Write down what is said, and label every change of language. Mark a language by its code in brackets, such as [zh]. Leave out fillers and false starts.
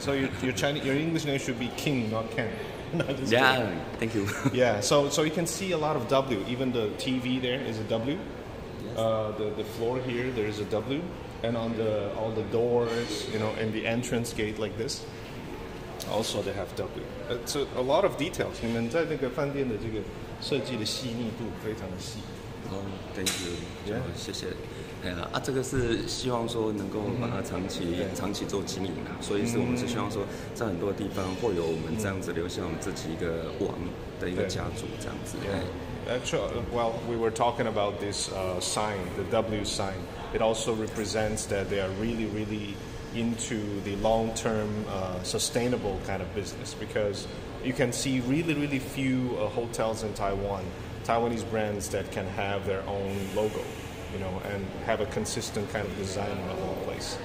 [en] So your Chinese, your English name should be King, not Ken. Yeah, kidding. Thank you. Yeah, so you can see a lot of W. Even the TV there is a W. Yes. The floor here, there is a W. And on the all the doors, you know, and the entrance gate like this. Also, they have W. So a lot of details. [zh] 你们在那个饭店的这个设计的细腻度非常的细。 [en] Oh, thank you. Yeah. [zh] 谢谢。哎呀，啊，这个是希望说能够把它长期做经营啊。所以是我们是希望说，在很多地方会有我们这样子留下我们自己一个王的一个家族这样子。 [en] Yeah. Actually, well, we were talking about this sign, the W sign. It also represents that they are really, really. Into the long-term sustainable kind of business, because you can see really, really few hotels in Taiwan, Taiwanese brands that can have their own logo, you know, and have a consistent kind of design in the whole place.